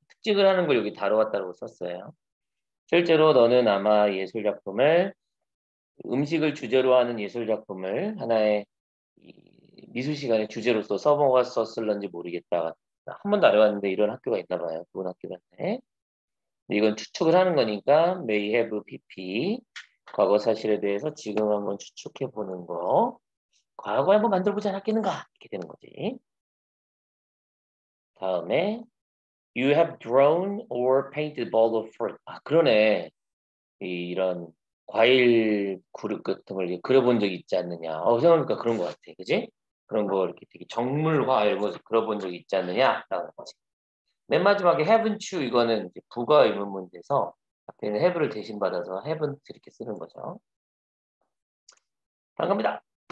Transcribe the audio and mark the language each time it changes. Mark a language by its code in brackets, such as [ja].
[ko] 특징을 하는 걸 여기 다뤄왔다고 썼어요. 실제로 너는 아마 예술작품을 음식을 주제로 하는 예술작품을 하나의 미술 시간에 주제로서 써먹었었을런지 모르겠다. 한 번도 안 해봤는데 이런 학교가 있나 봐요. 좋은 학교였네. 이건 추측을 하는 거니까 may have pp 과거 사실에 대해서 지금 한번 추측해 보는 거 과거에 한번 만들어 보지 않았겠는가 이렇게 되는 거지. 다음에 [en] you have drawn or painted ball of fruit. [ko] 아 그러네. 이런 과일 그릇 같은 걸 그려본 적 있지 않느냐. 생각하니까 그런 거 같아. 그지? 그런 거 이렇게 되게 정물화 이런 거 그려본 적 있지 않느냐라고 하지. 맨 마지막에 haven't you 이거는 이제 부가 의문 문제에서 앞에는 have를 대신 받아서 haven't 이렇게 쓰는 거죠. 반갑니다.